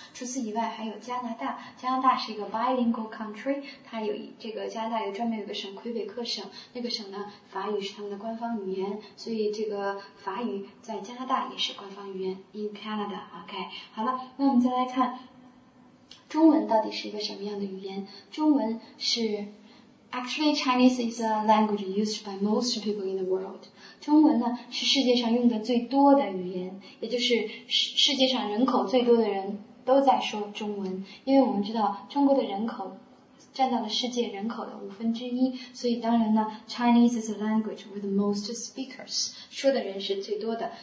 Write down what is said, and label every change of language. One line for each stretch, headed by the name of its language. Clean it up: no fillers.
Chinese: 除此以外还有加拿大，加拿大是一个 bilingual country， 它有这个加拿大有专门有个省魁北克省，那个省呢法语是他们的官方语言，所以这个法语在加拿大也是官方语言 in Canada。 OK， 好了，那我们再来看中文到底是一个什么样的语言。中文是
English: actually Chinese is a language used by most people in the world。
Chinese: 中文呢是世界上用的最多的语言，也就是世界上人口最多的人都在说中文。因为我们知道中国的人口占到了世界人口的五分之一，所以当然呢
English: Chinese is a language with the most speakers，
Chinese: 说的人是最多的。